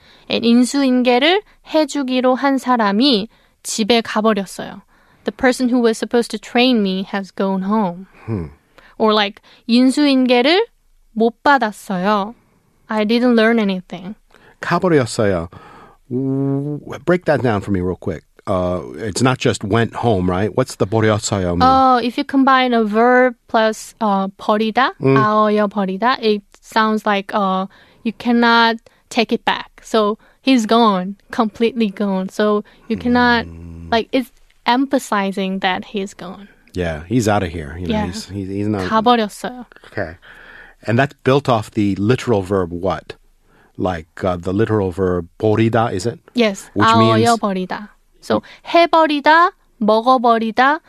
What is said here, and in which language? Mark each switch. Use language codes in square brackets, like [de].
[ko] And 인수인계를 해주기로 한 사람이 집에 가버렸어요. [en] The person who was supposed to train me has gone home. Or like [ko] 인수인계를 못 받았어요. [en] I didn't learn anything. [ko] 가버렸어요. [en] Break that down for me real quick. It's not just went home, right? What's the [ko] 버렸어요 [en] mean? If you combine a verb plus [ko] 버리다, 아어여 버리다, [en] it sounds like you cannot take it back. So he's gone, completely gone. So you cannot, like, it's emphasizing that he's gone. Yeah, he's out of here. You know, he's not. [ko] 가버렸어요. [en] Okay. And that's built off the literal verb what? Like the literal verb [ko] 버리다, [en] is it? Yes. Which [ko] 아어여 [en] means [ko] 버리다. So 해버리다, 먹어버리다.